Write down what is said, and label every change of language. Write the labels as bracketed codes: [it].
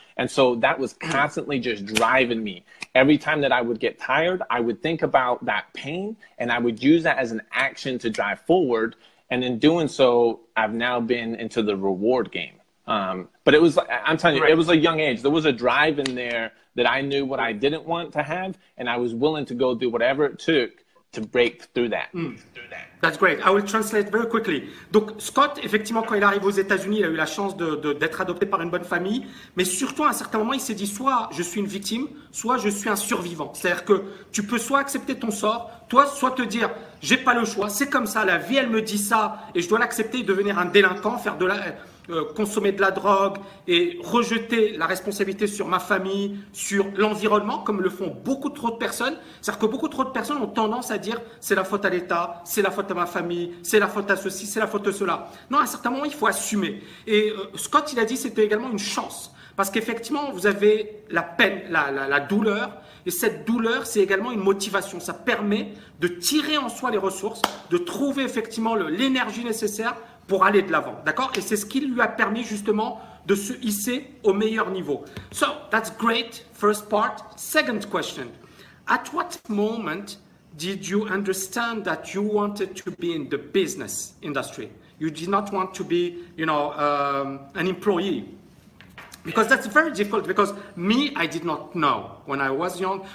[en] And so that was constantly just driving me. Every time that I would get tired, I would think about that pain and I would use that as an action to drive forward. And in doing so, I've now been into the reward game. But it was, I'm telling you, it was a young age. There was a drive in there that I knew what I didn't want to have, and I was willing to go through whatever it took to break through that. That's great. I will translate very quickly. [fr] Donc, Scott, effectivement, quand il arrive aux États-Unis, il a eu la chance d'être adopté par une bonne famille, mais surtout, à un certain moment, il s'est dit, soit je suis une victime, soit je suis un survivant. C'est-à-dire que tu peux soit accepter ton sort, toi, soit te dire, j'ai pas le choix, c'est comme ça, la vie, elle me dit ça, et je dois l'accepter et devenir un délinquant, faire de la... consommer de la drogue et rejeter la responsabilité sur ma famille, sur l'environnement, comme le font beaucoup trop de personnes. C'est-à-dire que beaucoup trop de personnes ont tendance à dire c'est la faute à l'État, c'est la faute à ma famille, c'est la faute à ceci, c'est la faute à cela. Non, à un certain moment, il faut assumer. Et Scott, il a dit que c'était également une chance. Parce qu'effectivement, vous avez la peine, la douleur. Et cette douleur, c'est également une motivation. Ça permet de tirer en soi les ressources, de trouver effectivement l'énergie nécessaire pour aller de l'avant, d'accord? Et c'est ce qui lui a permis justement de se hisser au meilleur niveau. [en] So, that's great, first part. Second question, at what moment did you understand that you wanted to be in the business industry? You did not want to be, you know, an employee? Because that's very difficult, because me, I did not know when I was young.